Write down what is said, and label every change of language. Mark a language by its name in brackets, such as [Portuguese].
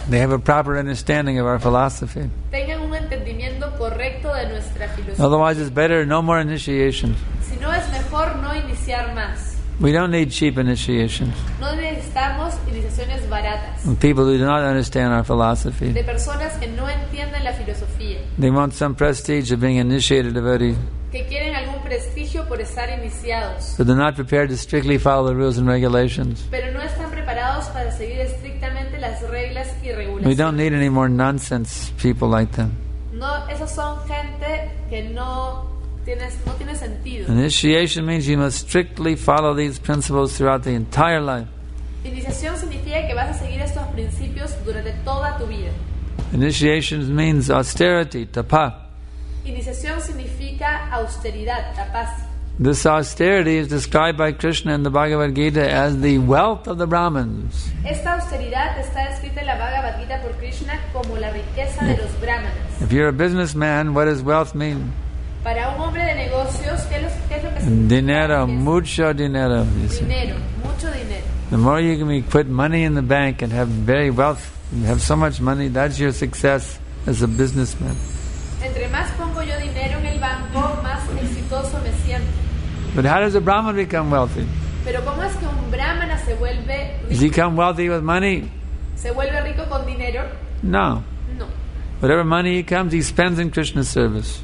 [English] they have a proper understanding of our philosophy. [Spanish] Tengan un entendimiento correcto de nuestra filosofía. [English] Otherwise, it's better no more initiations. [Spanish] Si no es mejor no iniciar más. [English] We don't need cheap initiations. [Spanish] No necesitamos iniciaciones baratas. [English] And people who do not understand our philosophy, [Spanish] de personas que no entienden la filosofía, [English] they want some prestige of being initiated devotee, [Spanish] que quieren algún prestigio por estar iniciados, [English] but they're not prepared to strictly follow the rules and regulations. [Spanish] Pero no están preparados para seguir estrictamente las reglas y regulaciones. [English] We don't need any more nonsense people like them. [Spanish] No, esos son gente que no tiene sentido. [English] Initiation means you must strictly follow these principles throughout the entire life. [Spanish] Iniciación significa que vas a seguir estos principios durante toda tu vida. [English] Initiation means austerity, tapa. [Spanish] Iniciación significa austeridad, tapas. [English] This austerity is described by Krishna in the Bhagavad Gita as the wealth of the Brahmins. [Spanish] Esta austeridad está escrita en la Bhagavad Gita por Krishna como la riqueza de los Brahmanas. [English] If you're a businessman, what does wealth mean? [Spanish] Para un hombre de negocios, ¿qué es lo que significa? Dinero, mucho dinero. Dinero, mucho dinero. [English] The more you can put money in the bank and have very wealth, and have so much money, that's your success as a businessman. [Spanish] Entre más pongo yo dinero en el banco, más exitoso me siento. [English] But how does a Brahman become wealthy? [Spanish] Pero ¿cómo es que un Brahmana se vuelve rico? [English] Does he become wealthy with money? [Spanish] ¿Se vuelve rico con dinero? [English] No. [Spanish] No. [English] Whatever money he comes, he spends in Krishna's service.